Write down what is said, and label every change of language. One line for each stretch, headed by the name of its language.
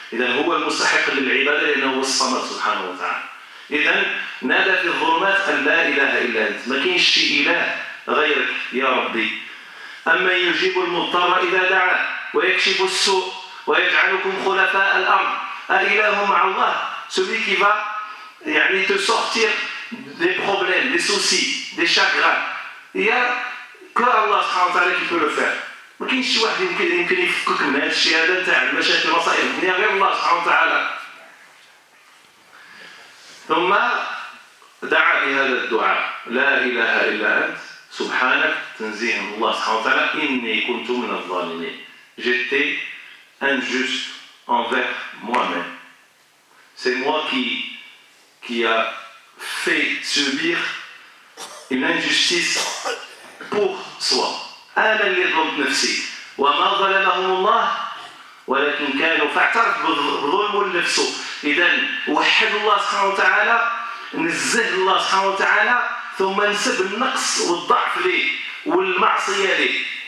Arabic: إذا هو المستحق للعبادة لأنه هو الصمد سبحانه وتعالى. إذا نادى في الظلمات أن لا إله إلا أنت. ما كاينش شي إله غيرك يا ربي. أما يجيب المضطر إذا دعاه ويكشف السوء ويجعلكم خلفاء الأرض. أإله مع الله.
French: Celui qui va te sortir des problèmes, des soucis, des chagrins. Il y a que Allah سبحانه وتعالى qui peut le faire.
Arabic: ما كاينش شي واحد يمكن يفكك من هذا الشيء هذا نتاع المشاكل والمصائب. هي غير الله سبحانه وتعالى. ثم دعا بهذا الدعاء. لا إله إلا أنت. سبحانك تنزيه الله سبحانه وتعالى إني كنت من الظالمين.
French: J'étais injuste envers moi-même. C'est moi qui a fait subir une injustice pour soi.
Arabic: أنا اللي ظلمت نفسي. وما ظلمهم الله ولكن كانوا فاعترف بالظلم لنفسه. إذا وحد الله سبحانه وتعالى نزه الله سبحانه وتعالى ثم نسب النقص والضعف ليه والمعصية ليه.